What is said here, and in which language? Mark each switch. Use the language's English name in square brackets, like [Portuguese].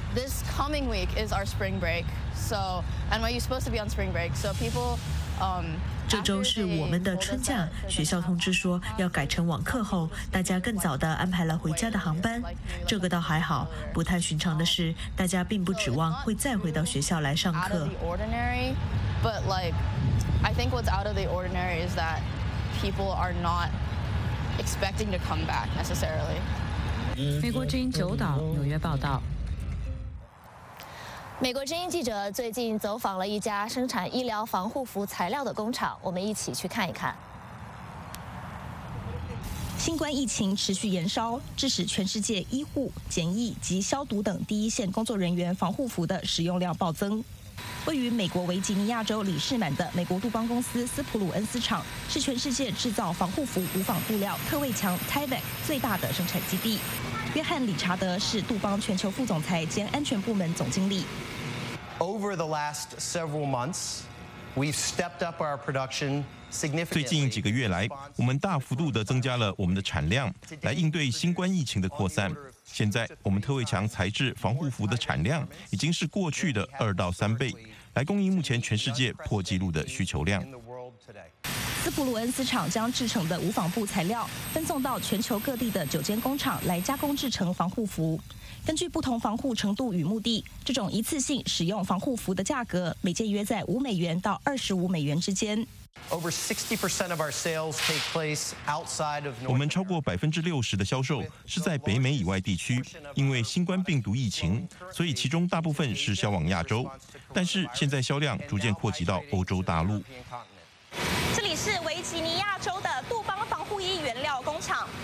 [English] This coming week is our spring break. So NYU's supposed to be on spring break. So people, [Chinese] 这周是我们的春假，学校通知说要改成网课后，大家更早地安排了回家的航班。这个倒还好，不太寻常的是，大家并不指望会再回到学校来上课。 [English] But like, I think what's out of the ordinary is that people are not expecting to come back necessarily. [Chinese] 美国之音九岛纽约报道。美国之音记者最近走访了一家生产医疗防护服材料的工厂，我们一起去看一看。新冠疫情持续延烧，致使全世界医护、检疫及消毒等第一线工作人员防护服的使用量暴增。位于美国维吉尼亚州里士满的美国杜邦公司斯普鲁恩斯厂，是全世界制造防护服无纺布料特卫强 Tyvek 最大的生产基地。约翰·理查德是杜邦全球副总裁兼安全部门总经理。 [English] Over the last several months, we've stepped up our production significantly. [Chinese] 最近几个月来，我们大幅度地增加了我们的产量，来应对新冠疫情的扩散。现在，我们特卫强材质防护服的产量已经是过去的二到三倍，来供应目前全世界破纪录的需求量。斯普鲁恩斯厂将制成的无纺布材料分送到全球各地的九间工厂来加工制成防护服。根据不同防护程度与目的，这种一次性使用防护服的价格每件约在$5到$25之间。 [English] Over 60% of our sales take place outside of North America. [Chinese] 我们超过60%的销售是在北美以外地区，因为新冠病毒疫情，所以其中大部分是销往亚洲，但是现在销量逐渐扩及到欧洲大陆。这里是维吉尼亚州的杜邦防护衣原料工厂。